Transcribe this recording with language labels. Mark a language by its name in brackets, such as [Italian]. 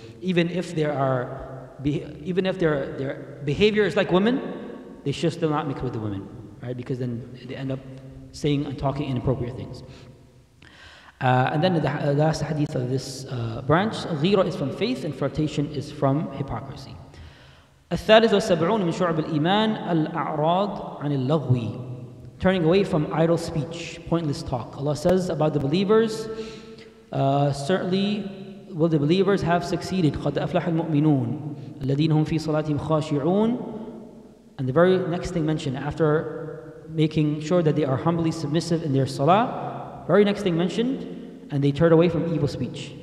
[English] Even if they are... even if their behavior is like women, they should still not mix with the women, right? Because then they end up saying and talking inappropriate things. And then the last hadith of this branch, ghira is from faith and flirtation is from hypocrisy. [Arabic] الثالث والسبعون من شعب الإيمان الأعراض عن اللغو, [English] turning away from idle speech, pointless talk. Allah says about the believers, certainly will the believers have succeeded? [Arabic] قَدْ أَفْلَحَ الْمُؤْمِنُونَ الَّذِينَ هُمْ فِي صَلَاتِهِمْ خَاشِعُونَ. [English] And the very next thing mentioned, after making sure that they are humbly submissive in their salah, very next thing mentioned, and they turn away from evil speech.